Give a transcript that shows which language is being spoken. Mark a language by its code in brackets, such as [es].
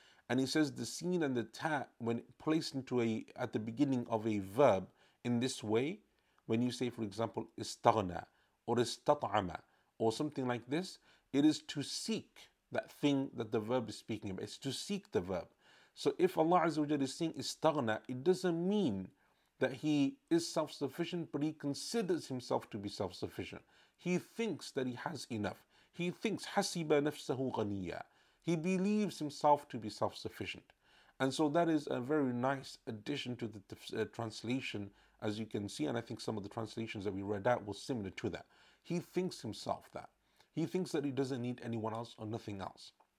[en] And he says the seen and the ta, when placed into a at the beginning of a verb in this way, when you say, for example, istaghna or istat'ama or something like this, it is to seek that thing that the verb is speaking about. It's to seek the verb. So if Allah Azza wa Jalla is saying istaghna, it doesn't mean that he is self-sufficient, but he considers himself to be self-sufficient. He thinks that he has enough. He thinks, [ar] حَسِبَ نَفْسَهُ غَنِيَّ. [en] He believes himself to be self-sufficient. And so that is a very nice addition to the translation, as you can see, and I think some of the translations that we read out were similar to that. He thinks himself that. He thinks that he doesn't need anyone else or nothing else.